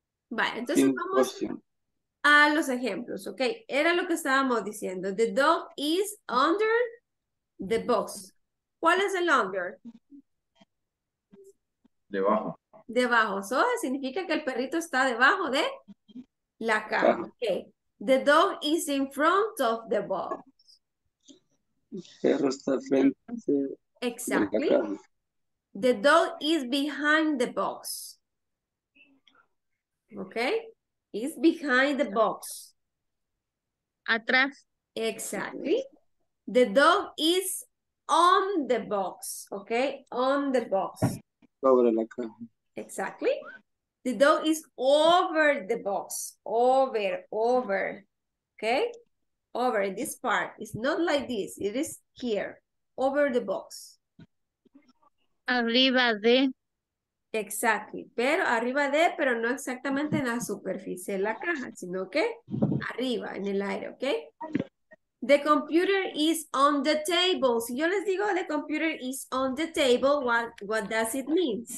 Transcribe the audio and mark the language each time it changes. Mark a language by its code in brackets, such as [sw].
[es] Vale, entonces finish vamos question. A los ejemplos, ok. Era lo que estábamos diciendo. [en] The dog is under the box. [es] ¿Cuál es el under? Debajo. Debajo. So, significa que el perrito está debajo de la caja. Ok. [en] The dog is in front of the box. [es] El perro está frente. [en] Exactly. The dog is behind the box. Okay? Is behind the box. [es] Atrás. [en] Exactly. The dog is on the box. Okay? On the box. [es] Sobre la caja. [en] Exactly. The dog is over the box. Over. Okay? Over this part. It's not like this. It is here. Over the box. [es] Arriba de. [en] Exactly. [es] Pero arriba de, pero no exactamente en la superficie de la caja, sino que arriba, en el aire, ¿ok? [en] The computer is on the table. [es] Si yo les digo [en] the computer is on the table, what does it mean?